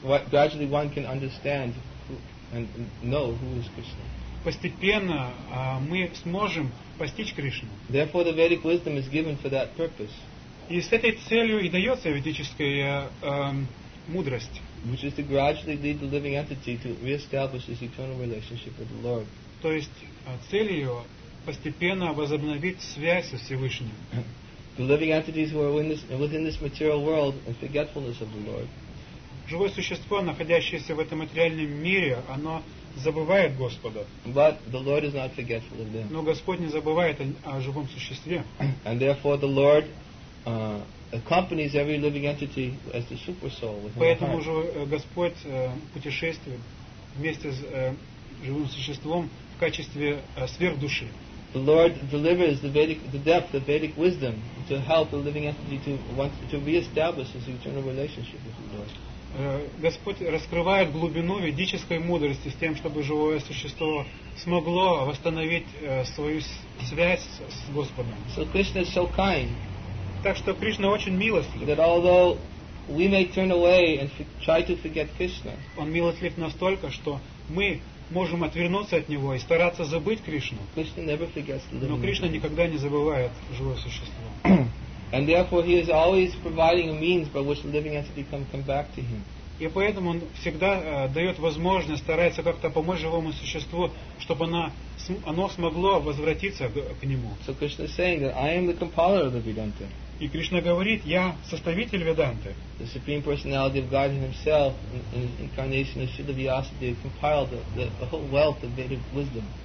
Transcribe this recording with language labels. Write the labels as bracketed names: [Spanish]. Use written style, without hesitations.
[English] Gradually one can understand and know who is Krishna. [Russian] Постепенно мы сможем постичь Кришну. [English] Therefore, the Vedic wisdom is given for that purpose. [Russian] И с этой целью и дается ведическая мудрость. [English] Which is to gradually lead the living entity to re-establish his eternal relationship with the Lord. [Russian] То есть целью постепенно возобновить связь со Всевышним. [English] The living entities who are within this material world in forgetfulness of the Lord. [Russian] Живое существо, находящееся в этом материальном мире, оно забывает Господа. [English] But the Lord is not forgetful of them. [Russian] Но Господь не забывает о живом существе. [English] And therefore the Lord accompanies every living entity as the super soul within the heart. [Russian] Поэтому же Господь путешествует вместе с живым существом в качестве сверхдуши. [English] The Lord delivers the Vedic wisdom to help the living entity to re-establish his eternal relationship with the Lord. [Russian] Господь раскрывает глубину ведической мудрости с тем, чтобы живое существо смогло восстановить свою связь с Господом. [English] So Krishna is so kind. [Russian] Так что Кришна очень милостлив. [English] That although we may turn away and try to forget Krishna. [Russian] Он милостлив настолько, что мы можем отвернуться от него и стараться забыть Кришну. [English] Krishna never forgets the living. [Russian] Но Кришна никогда не забывает живое существо. [English] And therefore he is always providing a means by which the living entity can come back to him. [Russian] И поэтому он всегда дает возможность, старается как-то помочь живому существу, чтобы оно смогло возвратиться к нему. [English] So Krishna is saying that I am the compiler of the Vedanta. [Russian] И Кришна говорит, я составитель Веданты. [English] The Supreme Personality of Godhead himself, in his incarnation of Śrīla Vyāsadeva, compiled the whole wealth of Vedic wisdom.